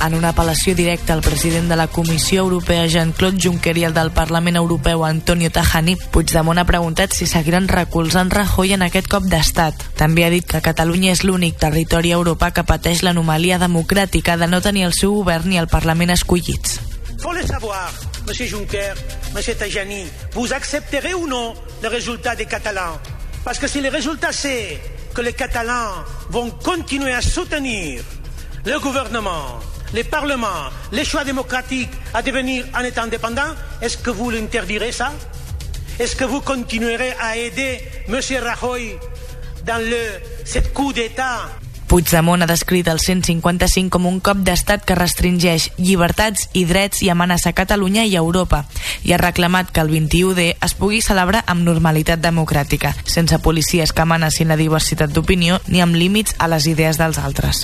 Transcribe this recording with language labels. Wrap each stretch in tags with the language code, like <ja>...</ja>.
<ca>En una apel·lació directa al president de la Comissió Europea, Jean-Claude Juncker, i el del Parlament Europeu, Antonio Tajani, Puigdemont ha preguntat si seguiran recolzant Rajoy en aquest cop d'estat. També ha dit que Catalunya és l'únic territori a Europa que pateix l'anomalia democràtica de no tenir el seu govern ni el Parlament escollits. Volem saber,</ca> <fr>monsieur Juncker, monsieur Tajani, vous accepterez ou non le résultat des Catalans? Parce que si le résultat c'est que les Catalans vont continuer à soutenir le gouvernement, le parlement, les choix démocratiques à devenir un État indépendant, est-ce que vous l'interdirez ça? Est-ce que vous continuerez à aider monsieur Rajoy dans ce coup d'État?</fr> <ca>Puigdemont ha descrit el 155 com un cop d'estat que restringeix llibertats i drets i amenaça Catalunya i Europa, i ha reclamat que el 21D es pugui celebrar amb normalitat democràtica, sense policies que amenacin la diversitat d'opinió ni amb límits a les idees dels altres.</ca>